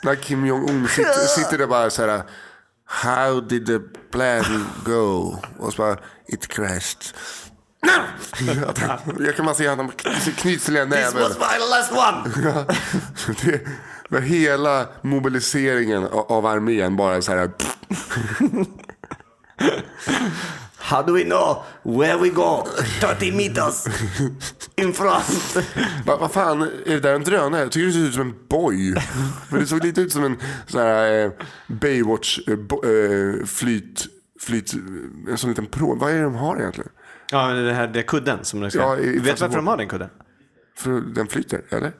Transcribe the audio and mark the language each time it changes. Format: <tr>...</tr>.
<sv>när Kim Jong-un sitter där bara så här,</sv> <en>how did the plan go?</en> <sv>Och så bara,</sv> <en>it crashed. No!</en> <sv>Jag kan bara se att han knyts till en näve.</sv> <en>This was my last one.</en> <sv>Det var hela mobiliseringen av armén bara så här.</sv> <en>How do we know where we go 30 meters in front?</en> <sv>Vad fan, är det där en drönare? Jag tycker det ser ut som en boj. Men det såg lite ut som en så här Baywatch flyt en sån liten pråm. Vad är det de har egentligen? Ja, det här, det är kudden som du ska. Ja, vet varför de har den kudden? För den flyter, eller?</sv>